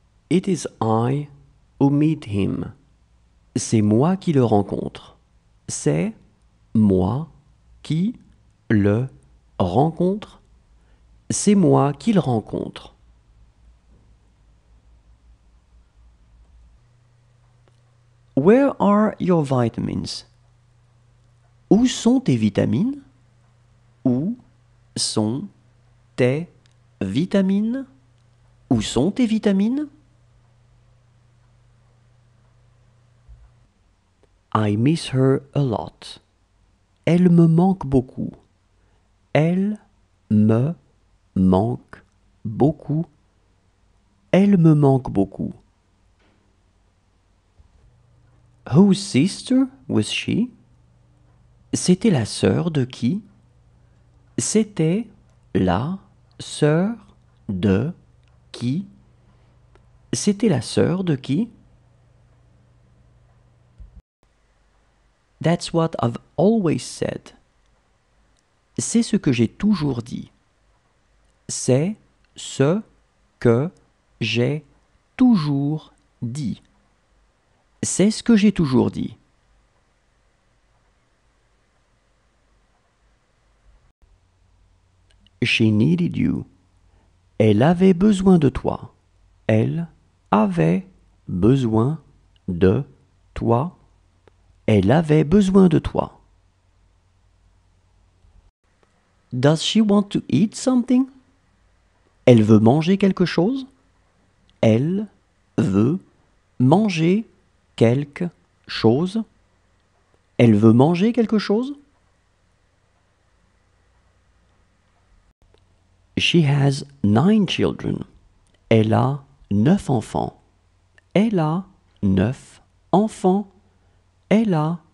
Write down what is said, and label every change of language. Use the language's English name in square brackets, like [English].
[English] It is I who meet him. [French] C'est moi qui le rencontre. C'est moi qui le rencontre. C'est moi qui le rencontre. [English] Where are your vitamins? [French] Où sont tes vitamines? Où sont tes vitamines? Où sont tes vitamines? [English] I miss her a lot. [French] Elle me manque beaucoup. Elle me manque beaucoup. Elle me manque beaucoup. [English] Whose sister was she? [French] C'était la sœur de qui? C'était la sœur de qui? C'était la sœur de qui? [English] That's what I've always said. [French] C'est ce que j'ai toujours dit. C'est ce que j'ai toujours dit. C'est ce que j'ai toujours dit. [English] She needed you. [French] Elle avait besoin de toi. Elle avait besoin de toi. Elle avait besoin de toi. [English] Does she want to eat something? [French] Elle veut manger quelque chose? Elle veut manger quelque chose? Elle veut manger quelque chose? [English] She has 9 children. [French] Elle a 9 enfants. Elle a 9 enfants. Elle a